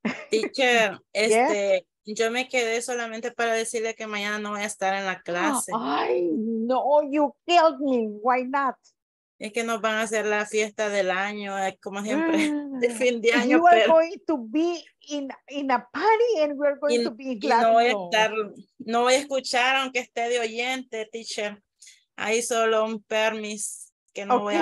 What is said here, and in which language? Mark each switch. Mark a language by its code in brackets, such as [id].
[es] Teacher, yo me quedé solamente para decirle que mañana no voy a estar en la clase. [en] Ay, no, you killed me, why not? [es] Es que nos van a hacer la fiesta del año, como siempre, de fin de año. [en] You are going to be in a party and we are going to be in class. [es] No voy a estar, no voy a escuchar aunque esté de oyente, teacher. Ahí solo un permis que no voy a